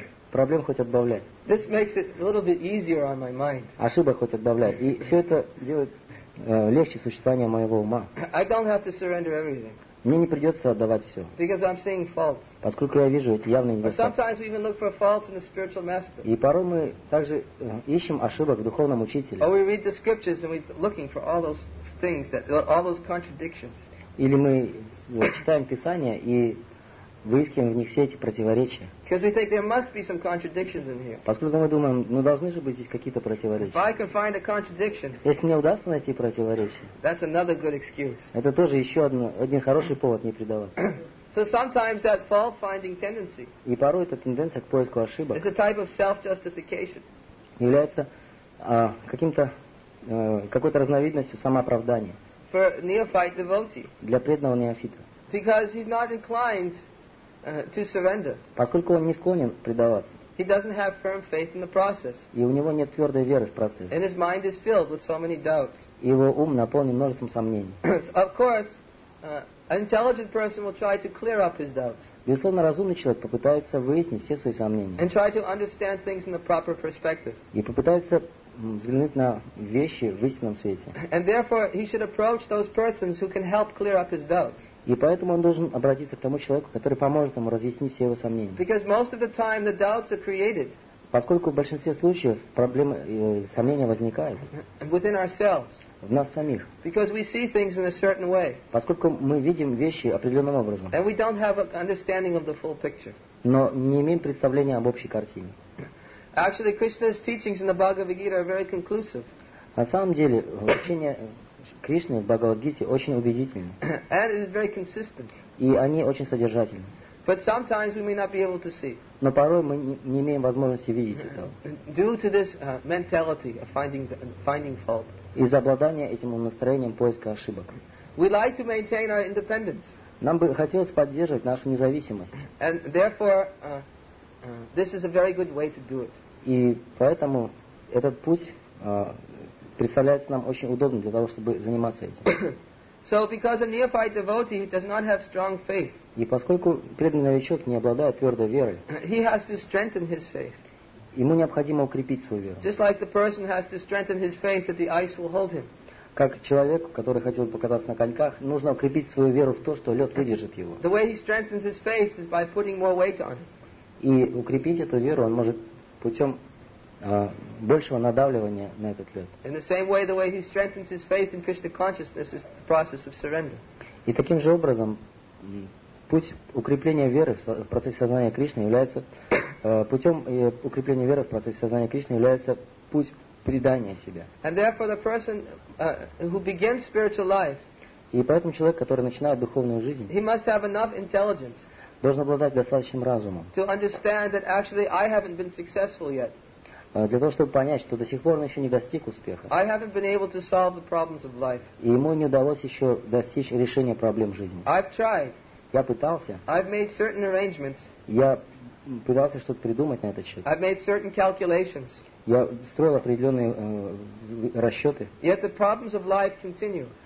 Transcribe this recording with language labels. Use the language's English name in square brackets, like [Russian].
[Russian] Проблем хоть отбавляй. [English] This makes it a little bit easier on my mind. [Russian] Ошибок хоть отбавляй. И все это делает легче существование моего ума. [English] I don't have to surrender everything. [Russian] Мне не придется отдавать все. [English] Because I'm seeing faults. [Russian] Поскольку я вижу эти явные недостатки. [English] Or sometimes we even look for faults in the spiritual master. [Russian] И порой мы также ищем ошибок в духовном учителе. [English] Or we read the scriptures and we're looking for all those things that all those contradictions. [Russian] Или мы читаем Писание и выискиваем в них все эти противоречия. [English] Because we think there must be some contradictions in here. [Russian] Поскольку мы думаем, ну должны же быть здесь какие-то противоречия. [English] If I can find a contradiction. [Russian] Если мне удастся найти противоречие. [English] That's another good excuse. [Russian] Это тоже еще один хороший повод не предаваться. [English] So sometimes that fault-finding tendency. [Russian] И порой эта тенденция к поиску ошибок. [English] It's a type of self-justification. [Russian] Является какой-то разновидностью самооправдания. [English] For a neophyte devotee. [Russian] Для преданного неофита. [English] Because he's not inclined to surrender. [Russian] Поскольку он не склонен предаваться. [English] He doesn't have firm faith in the process. [Russian] И у него нет твердой веры в процесс. [English] And his mind is filled with so many doubts. [Russian] И его ум наполнен множеством сомнений. [English] Of course, an intelligent person will try to clear up his doubts. [Russian] Безусловно, разумный человек попытается выяснить все свои сомнения. [English] And try to understand things in the proper perspective. [Russian] И попытается взглянуть на вещи в истинном свете. [English] And therefore, he should approach those persons who can help clear up his doubts. [Russian] И поэтому он должен обратиться к тому человеку, который поможет ему разъяснить все его сомнения. [English] Because most of the time the doubts are created. [Russian] Поскольку в большинстве случаев проблемы сомнения возникают [English] within ourselves. [Russian] В нас самих. [English] Because we see things in a certain way. [Russian] Поскольку мы видим вещи определенным образом. [English] And we don't have an understanding of the full picture. [Russian] Но не имеем представления об общей картине. [English] Actually, Krishna's teachings in the Bhagavad Gita are very conclusive. [Russian] На самом деле, учение Кришны в Бхагавад-гите очень убедительны. [English] And it is very consistent. [Russian] И они очень содержательны. [English] But sometimes we may not be able to see. [Russian] Но порой мы не имеем возможности видеть это. [English] Due to this mentality of finding fault. [Russian] Из-за обладания этим настроением поиска ошибок. [English] We like to maintain our independence. [Russian] Нам бы хотелось поддерживать нашу независимость. [English] And therefore, this is a very good way to do it. [Russian] И поэтому этот путь представляется нам очень удобным для того, чтобы заниматься этим. [English] So because a neophyte devotee does not have strong faith. [Russian] И поскольку преданный новичок не обладает твердой верой. [English] He has to strengthen his faith. [Russian] Ему необходимо укрепить свою веру. [English] Just like the person has to strengthen his faith that the ice will hold him. [Russian] Как человеку, который хотел бы покататься на коньках, нужно укрепить свою веру в то, что лед выдержит его. [English] The way he strengthens his faith is by putting more weight on it. [Russian] И укрепить эту веру он может путем большего надавливания на этот лед. [English] In the same way, the way he strengthens his faith in Krishna consciousness is the process of surrender. [Russian] И таким же образом путь укрепления веры в процессе сознания Кришны является путь предания себя. [English] And therefore the person who begins spiritual life, [Russian] и поэтому человек, который начинает духовную жизнь, [English] he must have enough intelligence, [Russian] должен обладать достаточным разумом, [English] to understand that actually I haven't been successful yet. [Russian] Для того, чтобы понять, что до сих пор он еще не достиг успеха. [English] I haven't been able to solve the problems of life. [Russian] И ему не удалось еще достичь решения проблем жизни. [English] I've tried. [Russian] Я пытался. [English] I've made certain arrangements. [Russian] Я пытался что-то придумать на этот счет. [English] I've made certain calculations. [Russian] Я строил определенные расчеты. [English] Yet the problems of life continue.